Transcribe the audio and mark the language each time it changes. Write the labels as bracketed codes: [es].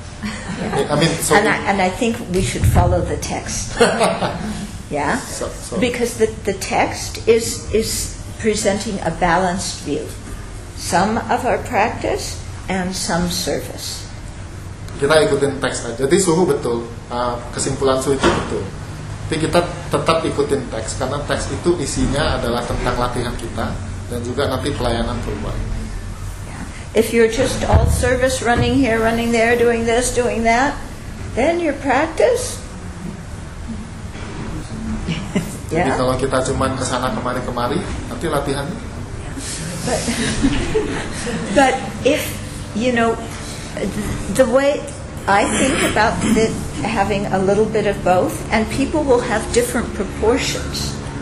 [en] I think we should follow the text. Yeah? So. Because the text is presenting a balanced view. Some of our practice and some service. [id] Kita ikutin teks aja. Jadi suhu betul, kesimpulan suhu itu betul. Tapi kita tetap ikutin teks, karena teks itu isinya adalah tentang latihan kita dan juga nanti pelayanan keluar. [en] If you're just all service, running here, running there, doing this, doing that, then your practice. [id] Yeah. Jadi kalau kita cuma kesana kemari, nanti latihannya. [en] But if you know the way I think about it, having a little bit of both, and people will have different proportions.